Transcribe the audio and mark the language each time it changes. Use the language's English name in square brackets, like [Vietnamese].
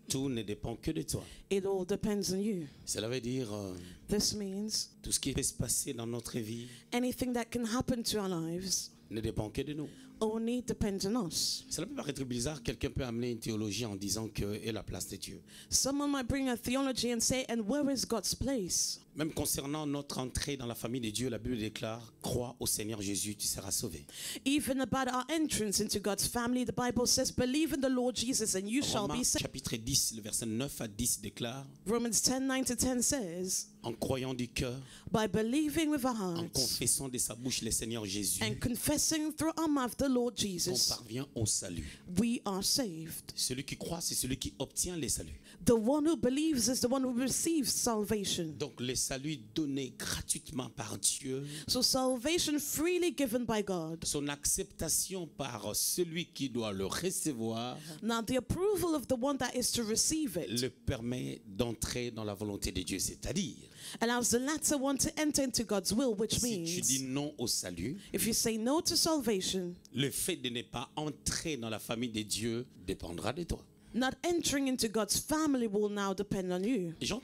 [French] tout ne dépend que de toi. [English] It all depends on you. [French] Cela veut dire [English] this means [French] tout ce qui peut se passer dans notre vie. [English] Anything that can happen to our lives [French] ne dépend que de nous. [English] Only depends on us. [French] Cela peut paraître bizarre. Quelqu'un peut amener une théologie en disant que est la place de Dieu. [English] Someone might bring a theology and say, and where is God's place? [French] Même concernant notre entrée dans la famille de Dieu, la Bible déclare, crois au Seigneur Jésus, tu seras sauvé. [English] Even about our entrance into God's family, the Bible says, believe in the Lord Jesus and you shall be saved. [French] Romains chapitre 10, le verset 9 à 10 déclare. [English] Romans 10, 9 to 10 says. [French] En croyant du cœur. [English] By believing with our hearts. [French] En confessant de sa bouche le Seigneur Jésus. [English] And confessing through our mouth the Lord Jesus. [French] On parvient au salut. [English] We are saved. [French] Celui qui croit, c'est celui qui obtient le salut. [English] The one who believes is the one who receives salvation. [French] Donc le salut donné gratuitement par Dieu. [English] So salvation freely given by God. [French] Son acceptation par celui qui doit le recevoir. [English] Now the approval of the one that is to receive it. [French] Le permet d'entrer dans la volonté de Dieu, c'est-à-dire. [English] Allows the latter one to enter into God's will, which [French] si [English] means [French] tu dis non au salut, [English] if you say no to salvation, [French] le fait de ne pas entrer dans la famille de Dieu dépendra de toi. [English] Not entering into God's family will now depend on you.